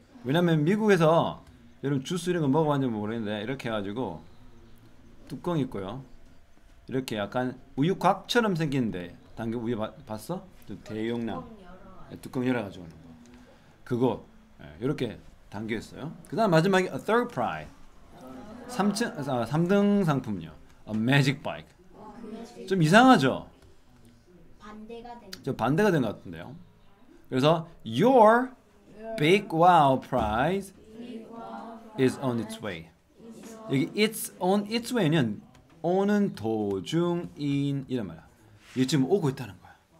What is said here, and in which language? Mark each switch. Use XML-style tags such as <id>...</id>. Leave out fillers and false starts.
<ko>왜냐면 미국에서 여러분 주스 이런 거 먹어봤는지 모르겠는데 이렇게 해가지고 뚜껑 있고요. 이렇게 약간 우유 곽처럼 생긴데 당겨 우유 봤어? 좀 대용량. 뚜껑 열어가지고. 그거 예, 이렇게 담겨 있어요. 그다음 마지막에</ko> <en>a third prize.</en> <ko>3등 상품이요.</ko> <en>A magic bike.</en> <ko>좀 이상하죠? 반대가 된 것 같은데요. 그래서</ko> <en>your big wow prize is on its way.</en> <ko>여기</ko> <en>it's on its way</en> <ko>는 오는 도중인 이란 말이야. 이게 지금 오고 있다는 거야.</ko>